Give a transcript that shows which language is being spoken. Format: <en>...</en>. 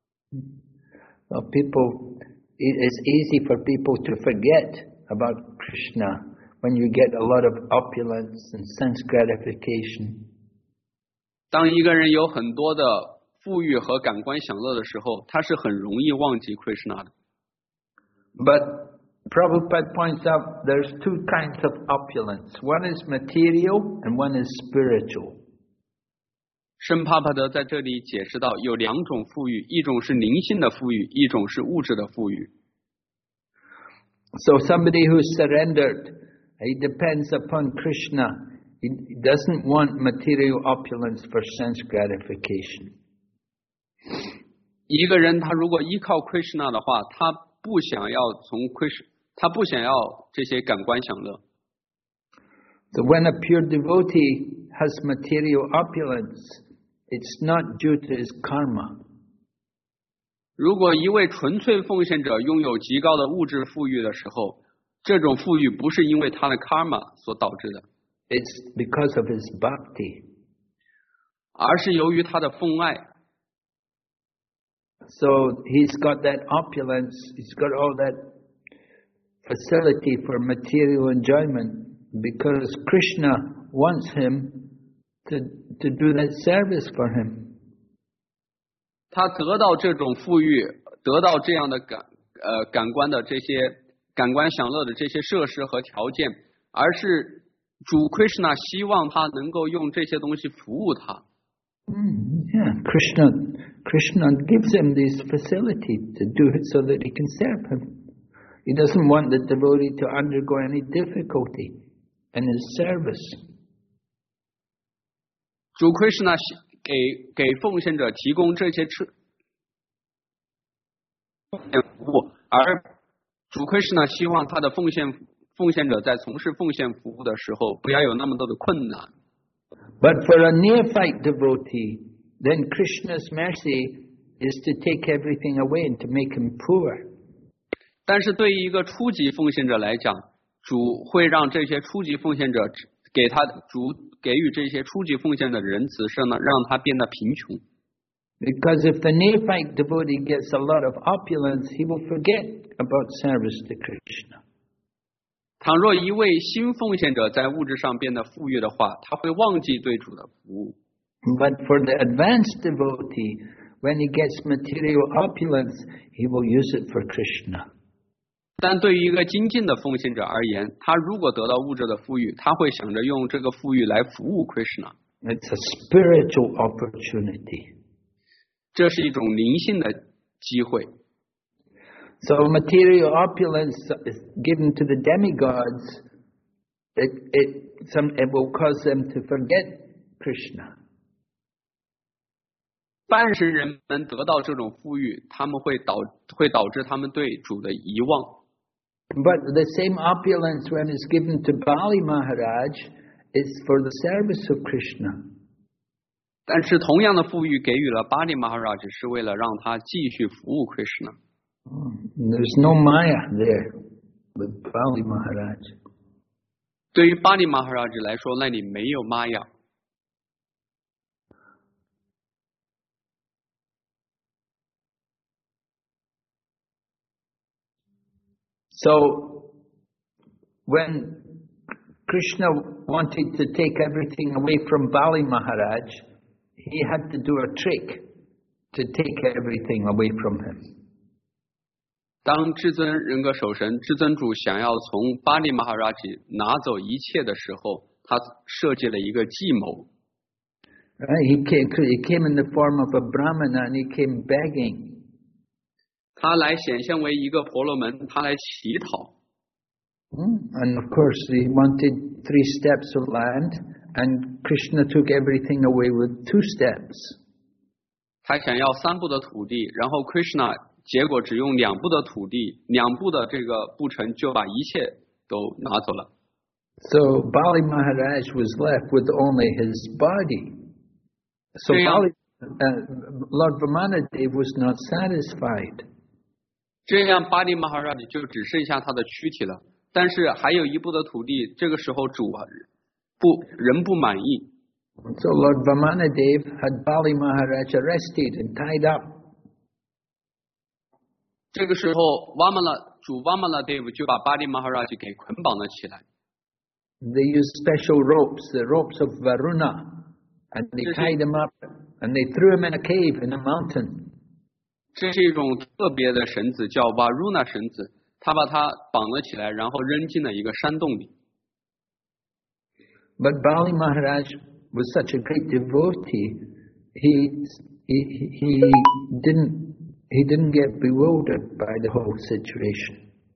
<en>Well, people, it is easy for people to forget about Krishna when you get a lot of opulence and sense gratification.</en> <zh>当一个人有很多的富裕和感官享乐的时候，他是很容易忘记 Krishna 的。</zh> <en>But Prabhupada points out there's two kinds of opulence. One is material and one is spiritual.</en> <zh>圣帕帕德在这里解释到，有两种富裕，一种是灵性的富裕，一种是物质的富裕。</zh> <en>So somebody who surrendered, he depends upon Krishna. He doesn't want material opulence for sense gratification.</en> <zh>一个人他如果依靠 Krishna 的话，他不想要从 Krishna， 他不想要这些感官享乐。</zh> <en>So when a pure devotee has material opulence. It's not due to his karma.</en> <zh>如果一位纯粹奉献者拥有极高的物质富裕的时候，这种富裕不是因为他的 karma 所导致的。</zh> <en>It's because of his bhakti.</en> <zh>而是由于他的奉爱。</zh> <en>So he's got that opulence, he's got all that facility for material enjoyment because Krishna wants him to do that service for him.</en> <zh>他得到这种富裕，得到这样的感官的这些感官享乐的这些设施和条件，而是主 Krishna 希望他能够用这些东西服务他。</zh> <en>Yeah, Krishna gives him this facility to do it so that he can serve him. He doesn't want the devotee to undergo any difficulty in his service.</en> <zh>主 Krishna 给奉献者提供这些服务，而主 Krishna 希望他的奉献者在从事奉献服务的时候不要有那么多的困难。</zh> <en>But for a neophyte devotee, then Krishna's mercy is to take everything away and to make him poor.</en> <zh>但是对于一个初级奉献者来讲，主会让这些初级奉献者给他主。给予这些初级奉献的仁慈是呢，让他变得贫穷。</zh> <en>Because if the neophyte devotee gets a lot of opulence, he will forget about service to Krishna.</en> <zh>倘若一位新奉献者在物质上变得富裕的话，他会忘记对主的服务。</zh> <en>But for the advanced devotee, when he gets material opulence, he will use it for Krishna.</en> <zh>但对于一个精进的奉献者而言，他如果得到物质的富裕，他会想着用这个富裕来服务 Krishna。</zh> <en>It's a spiritual opportunity.</en> <zh>这是一种灵性的机会。</zh> <en>So material opulence is given to the demigods. It will cause them to forget Krishna.</en> <zh>半神人们得到这种富裕，他们会导致他们对主的遗忘。</zh> <en>But the same opulence when it's given to Bali Maharaj is for the service of Krishna.</en> <zh>但是同样的富裕给予了 Bali Maharaj 是为了让他继续服务 Krishna.</zh> <en>There's no Maya there with Bali Maharaj.</en> <zh>对于 Bali Maharaj 来说，那里没有 Maya.</zh> <en>So when Krishna wanted to take everything away from Bali Maharaj, he had to do a trick to take everything away from him.</en> <zh>当至尊人格守神至尊主想要从巴利马哈拉吉拿走一切的时候，他设计了一个计谋。</zh> <en>He came in the form of a brahmana and he came begging.</en> <zh>他来显现为一个婆罗门，他来乞讨。</zh> <en>And of course, he wanted 3 steps of land, and Krishna took everything away with 2 steps.</en> <zh>他想要3步的土地，然后 Krishna。结果只用两步的土地，两步的这个步程就把一切都拿走了。</zh> <en>So Bali Maharaj was left with only his body. So Lord Vamanadeva was not satisfied.</en> <zh>这样巴利马哈拉吉就只剩下他的躯体了，但是还有一步的土地，这个时候主不仍不满意。</zh> <en>So Lord Vamanadeva had Bali Maharaj arrested and tied up.</en> <zh>这个时候 主瓦玛拉德夫 就把巴利马哈拉吉给捆绑了起来。</zh> <en>They used special ropes, the ropes of Varuna, and they tied him up, and they threw him in a cave in a mountain.</en> <zh>这是一种特别的绳子叫 Varuna 绳子，他把它绑了起来，然后扔进了一个山洞里。</zh> <en>But Bali Maharaj was such a great devotee, he didn't get bewildered by the whole situation.</en>